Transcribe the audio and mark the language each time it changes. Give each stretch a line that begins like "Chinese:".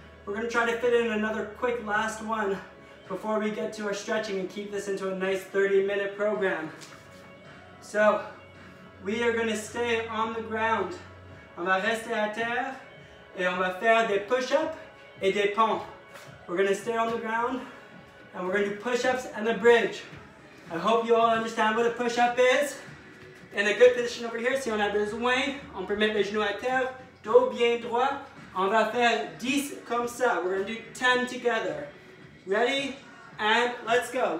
English: We're going to try to fit in another quick last one before we get to our stretching and keep this into a nice 30-minute program. So, we are going to stay on the ground.
French: On va rester à terre. Et on va faire des push-ups et des pompes.
English: We're going to stay on the ground. And we're going to do push-ups and a bridge. I hope you all understand what a push-up is. In a good position over here,
French: si on a besoin, on peut mettre les genoux à terre. Dos bien droit. On va faire 10 comme ça.
English: We're going to do 10 together. Ready? And let's go.